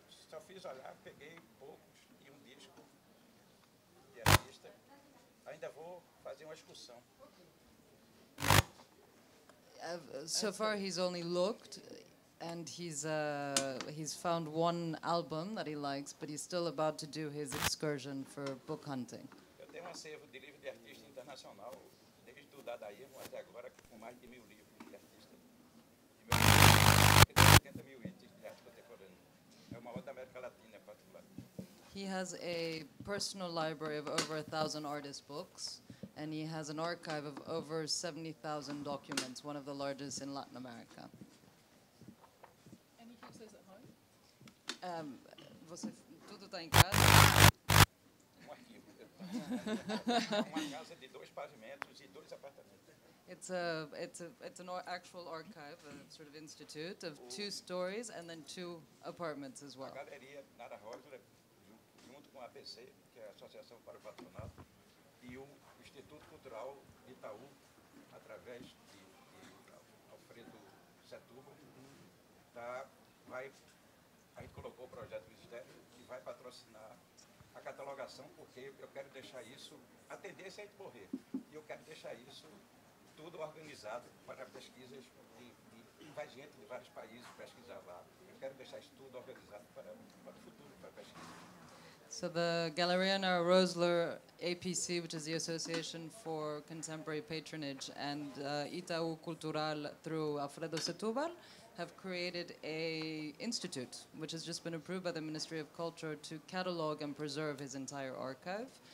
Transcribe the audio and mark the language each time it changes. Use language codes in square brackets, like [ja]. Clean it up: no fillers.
[pt] Só fiz olhar, peguei poucos e um disco de artista. Ainda vou fazer uma excursão. [en] So far he's only looked, and he's found one album that he likes, but he's still about to do his excursion for book hunting. [pt] Eu tenho um acervo de livros de artista internacional, desde o dadaísmo até agora, com mais de 1,000 livros de artista. De 80,000 itens de arte contemporânea. É o maior da América Latina, em particular. [en] He has a personal library of over 1,000 artist books. And he has an archive of over 70,000 documents, one of the largest in Latin America. And he keeps those at home? [pt] Você, tudo está em casa? Um arquivo. Uma casa de dois pavimentos e dois apartamentos. [en] It's an actual archive, a sort of institute of two stories and then two apartments as well. [pt] A galeria Nara Rosa, junto com a APC, que é a Associação para o Patronato, e o Instituto Cultural de Itaú, através de Alfredo Setúbal, a gente colocou o projeto do Ministério que vai patrocinar a catalogação, porque eu quero deixar isso, a tendência é a gente morrer, e eu quero deixar isso tudo organizado para pesquisas, vai gente de vários países pesquisar lá. Eu quero deixar isso tudo organizado para o futuro, para pesquisa. [en] So the Galleria Nara Rosler APC, which is the Association for Contemporary Patronage, and Itaú Cultural through Alfredo Setúbal, have created a institute, which has just been approved by the Ministry of Culture to catalog and preserve his entire archive.